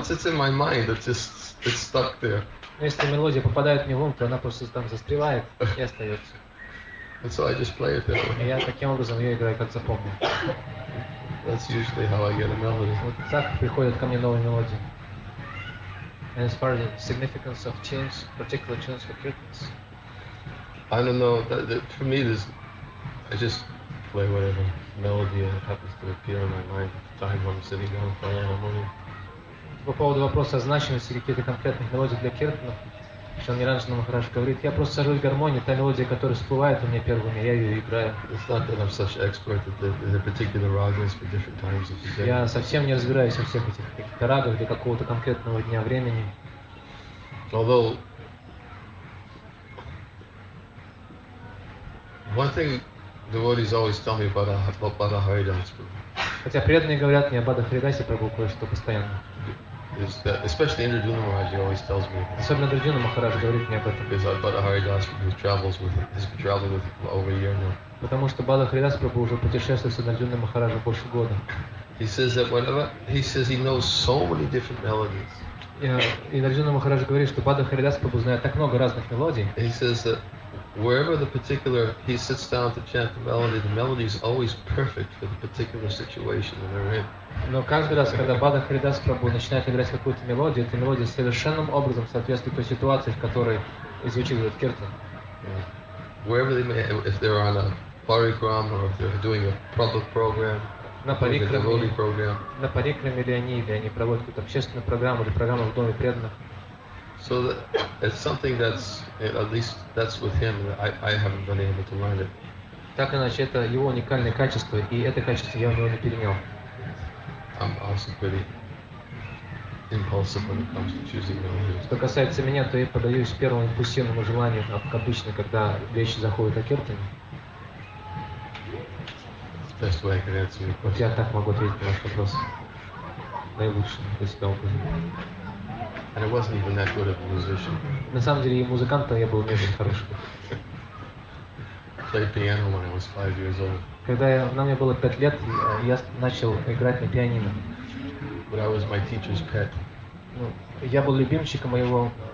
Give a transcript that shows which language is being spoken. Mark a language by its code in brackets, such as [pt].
[en] Once it's in my mind, it's stuck there. [ru] Если мелодия попадает мне в ум, то она просто там застревает и остается. [en] And so I just play it. [ru] Я таким образом ее играю, как запомню. [en] That's usually how I get a melody. [ru] Вот так приходят ко мне новые мелодии. [en] And as far as the significance of tunes, particular tunes for Kirtans. I don't know. That for me, this, I just play whatever melody happens to appear in my mind at the time when I'm sitting down for a harmony. [ru] По поводу вопроса о значимости каких-то конкретных мелодий для киртана, что Ниранджана Махарадж говорит, я просто сажусь в гармонии, та мелодия, которая всплывает у меня первыми, я ее играю. [en] It's not that I'm such an expert at the particular ragas for different times of the day. [ru] Я совсем не разбираюсь во всех этих каких-то рагах для какого-то конкретного дня времени. [en] Although, one thing devotees always tell me about Badaharidas Prabhu. [ru] Хотя преданные говорят мне о Бадахаридасе Прабху кое-что постоянно. [en] Especially Индрадюна Махарадж always tells me. [ru] Особенно Индрадюна Махарадж говорит мне об этом. [en] Because Бадахаридас Прабху travels with him. He's been traveling with him over a year now. [ru] Потому что Бадахаридас Прабху уже путешествует с Индрадюной Махараджем больше года. [en] He says that whenever he says he knows so many different melodies. [ru] И Индрадюна Махарадж говорит, что Бадахаридас Прабху знает так много разных мелодий. [en] He says that wherever the particular he sits down to chant the melody is always perfect for the particular situation that they're in. [ru] Но каждый раз, когда Бадахаридас Прабху начинает играть какую-то мелодию, эта мелодия совершенным образом соответствует той ситуации, в которой звучит этот киртан. [en] Wherever they may, if they're on a parikram or if they're doing a public program. [ru] на парикраме или они, или они проводят какую-то общественную программу или программу в доме преданных. [en] So that, it's something that's at least that's with him that I haven't been able to learn it. [ru] Так иначе это его уникальное качество, и это качество я у него не перенял. [en] I'm also pretty impulsive when it comes to choosing religions. [ru] Что касается меня, то я поддаюсь первому импульсивному желанию, как обычно, когда вещи заходят о киртане. [en] Best way I can answer your question. [ru] Вот я так могу ответить на ваш вопрос. Наилучшим для себя образом. [en] And I wasn't even that good of a musician. [ru] На самом деле, и музыкантом я был не очень хороший. [en] Played piano when I was 5 years old. [ru] Когда я, на мне было 5 лет, я начал играть на пианино. [en] But I was my teacher's pet. [ru] Ну, я был любимчиком моего...